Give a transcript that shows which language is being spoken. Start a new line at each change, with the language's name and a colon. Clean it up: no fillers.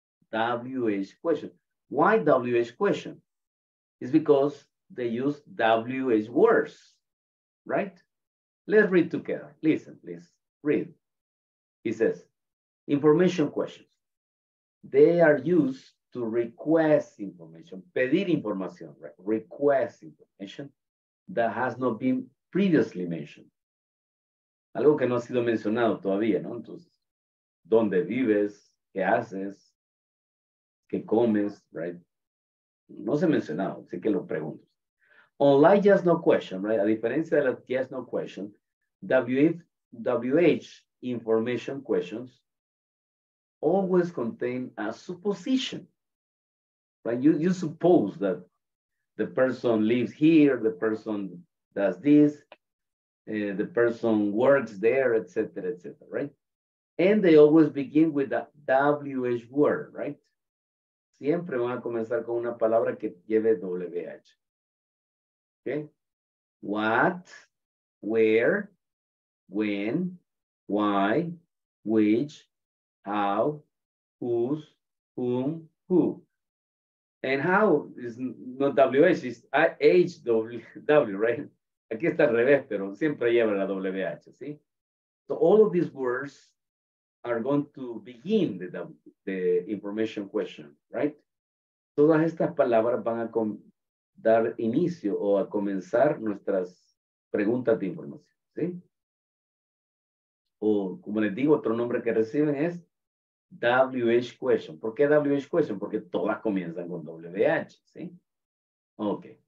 English: WH question. Why WH question? It's because they use WH words, right? Let's read together. Listen, please read. He says, information questions. They are used to request information,
Spanish: pedir información,
English: right? Request information that has not been previously mentioned.
Spanish: Algo que no ha sido mencionado todavía, ¿no? Entonces, ¿dónde vives? ¿Qué haces? ¿Qué comes?
English: Right?
Spanish: No se ha mencionado, así que lo pregunto.
English: Unlike just no question, right?
Spanish: A diferencia de la
English: yes no question, WH information questions always contain a supposition, right? You suppose that the person lives here, the person does this, the person works there, etc., etc., right? And they always begin with a WH word, right?
Spanish: Siempre van a comenzar con una palabra que lleve WH.
English: Okay? What, where, when, why, which, how, whose, whom, who. And how is not WH, it's HW, right?
Spanish: Aquí está al revés, pero siempre lleva la WH, ¿sí?
English: So all of these words are going to begin the information question, right?
Spanish: Todas estas palabras van a dar inicio o a comenzar nuestras preguntas de información, ¿sí? O como les digo, otro nombre que reciben es WH question. ¿Por qué WH question? Porque todas comienzan con WH, ¿sí? Ok.